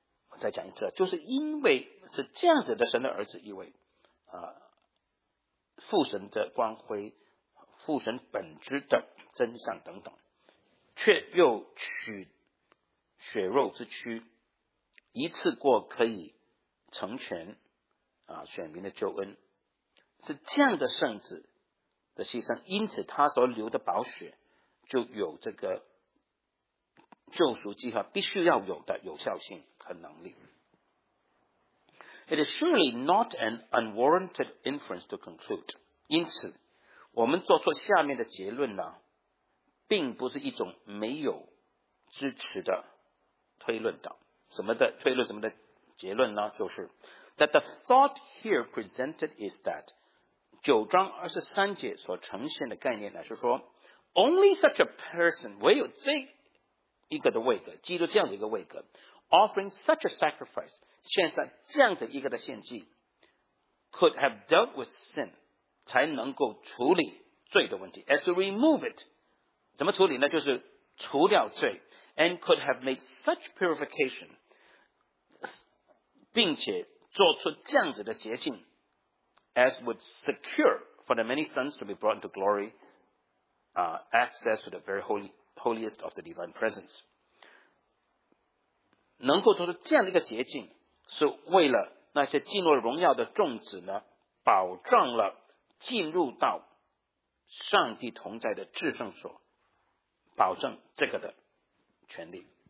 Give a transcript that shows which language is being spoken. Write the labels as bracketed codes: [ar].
[zh] 我再讲一次，就是因为是这样子的神的儿子，因为父神的光辉，父神本质的真相等等，却又取血肉之躯，一次过可以成全选民的救恩，是这样的圣子的牺牲，因此他所流的宝血就有这个救赎计划必须要有的有效性和能力。 [en] It is surely not an unwarranted inference to conclude. [zh] 因此我们做出下面的结论呢，并不是一种没有支持的推论的。什么的推论，什么的结论呢？就是 that the thought here presented is that 9章23节所呈现的概念呢，是说 only such a person, 唯有这一个的位格，基督这样的一个位格， offering such a sacrifice, 献上这样的一个的献祭， could have dealt with sin, 才能够处理罪的问题。 [en] As to remove it, 怎么处理呢？ [zh] 就是除掉罪。 [en] And could have made such purification, 并且做出这样子的捷径 as would secure for the many sons to be brought into glory, access to the very holiest of the divine presence. [zh] 能够做出这样的一个捷径，是为了那些进入荣耀的众子呢，保障了进入到上帝同在的至圣所，保证这个的权利。